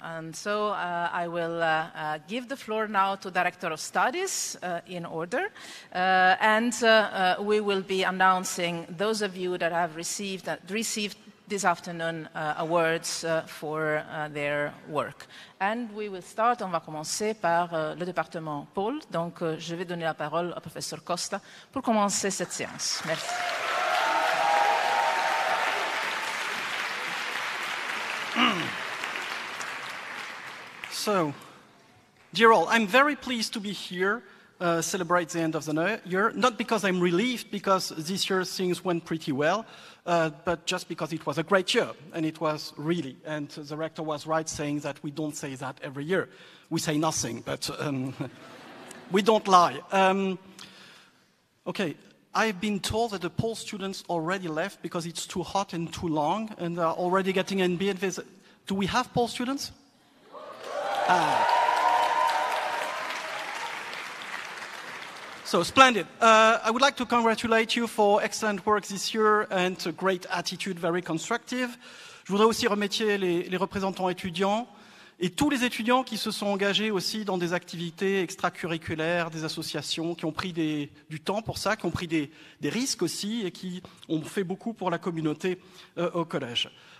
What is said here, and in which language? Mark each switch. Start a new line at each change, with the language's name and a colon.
English: And so I will give the floor now to Director of Studies in order, and we will be announcing those of you that have received this afternoon awards for their work. And we will start,
French: on va commencer par le département Paul. Donc je vais donner la parole au professeur Costa pour commencer cette séance. Merci.
English: So, dear all, I'm very pleased to be here celebrate the end of the year, not because I'm relieved, because this year things went pretty well, but just because it was a great year, and it was really, and the rector was right saying that we don't say that every year. We say nothing, but we don't lie. Okay, I've been told that the poll students already left because it's too hot and too long, and they're already getting an NBA visit. Do we have poll students? So, splendid. I would like to congratulate you for excellent work this year and a great attitude, very constructive.
French: Je voudrais aussi remercier les représentants étudiants et tous les étudiants qui se sont engagés aussi dans des activités extracurriculaires, des associations, qui ont pris du temps pour ça, qui ont pris des risques aussi et qui ont fait beaucoup pour la communauté au collège.